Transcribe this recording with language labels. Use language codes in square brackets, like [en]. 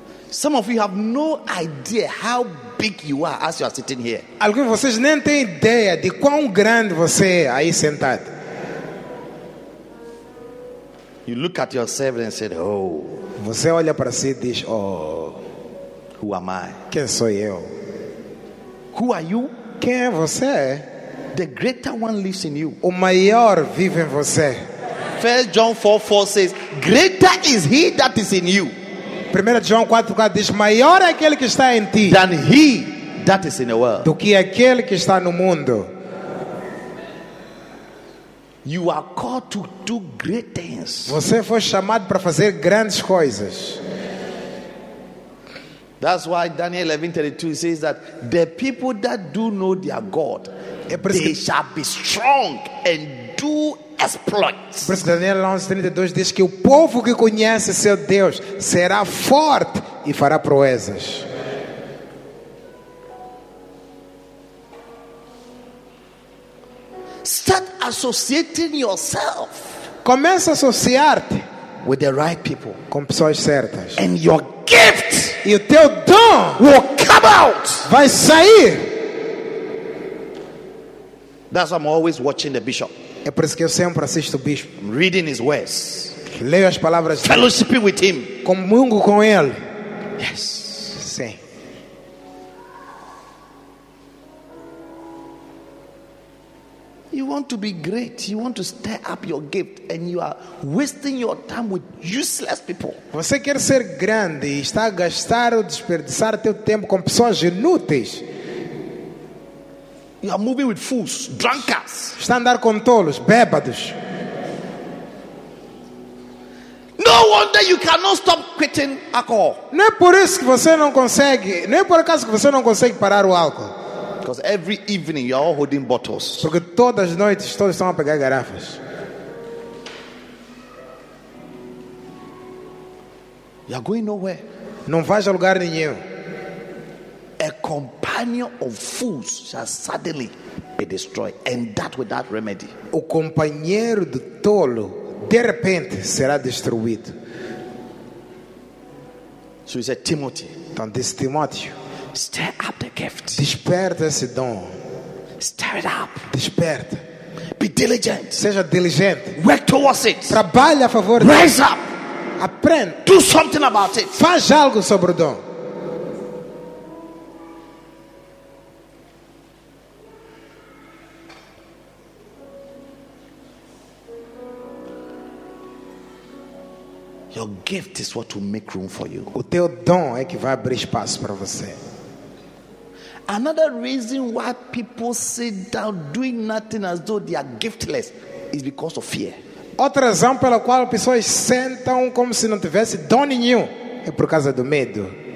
[en] Some of you have no idea how big you are as you are sitting here. [pt] Alguns de vocês nem têm ideia de quão grande você é aí sentado. [en] You look at yourself and say, oh. [pt] Você olha para si e diz, oh. [en] Who am I? [pt] Quem sou eu? [en] Who are you? [pt] Quem é você? [en] The greater one lives in you. [pt] O maior vive em você. [en] 1 John 4:4 says, greater is he that is in you. [pt] 1 João 4:4 diz, maior é aquele que está em ti [en] than he that is in the world. [pt] Do que aquele que está no mundo. [en] You are called to do great things. [pt] Você foi chamado para fazer grandes coisas. [en] That's why Daniel 11:32 says that the people that do know their God, they shall be strong and do exploits. [pt] Por isso Daniel 11:32 diz que o povo que conhece seu Deus será forte e fará proezas. [en] Start associating yourself. [pt] Começa a associar-te [en] with the right people. [pt] Com pessoas certas. [en] And your gift. [pt] E o teu dom [en] will come out. [pt] Vai sair. [en] That's why I'm always watching the bishop. [pt] É por isso que eu sempre assisto o bispo. [en] I'm reading his words. [pt] Leio as palavras. [en] Fellowshiping with him. [pt] Comungo com ele. [en] Yes. [pt] Sim. [en] You want to be great. You want to stir up your gift. And you are wasting your time with useless people. [pt] Você quer ser grande e está a gastar ou desperdiçar teu tempo com pessoas inúteis. [en] You are moving with fools, drunkards. [pt] Está a andar com tolos, bêbados. [en] No wonder you cannot stop quitting alcohol. [pt] Não é por isso que você não consegue, não é por acaso que você não consegue parar o álcool. [en] Because every evening you are holding bottles. [pt] Porque todas as noites todos estão a pegar garrafas. [en] You are going nowhere. [pt] Não vais a lugar nenhum. [en] A companion of fools shall suddenly be destroyed, and that without remedy. [pt] O companheiro do tolo de repente será destruído. [en] So he said, Timothy. [pt] Então disse Timóteo. [en] Stir up the gift. [pt] Desperta esse dom. [en] Stir it up. [pt] Desperta. [en] Be diligent. [pt] Seja diligente. [en] Work towards it. [pt] Trabalhe a favor. [en] Rise up. [pt] Aprenda. [en] Do something about it. [pt] Faz algo sobre o dom. [en] Your Your gift is what will make room for you. [pt] O teu dom é que vai abrir espaço para você. [en] Another reason why people sit down doing nothing as though they are giftless is because of fear. [pt] Outra razão pela qual as pessoas sentam como se não tivesse dom nenhum é por causa do medo.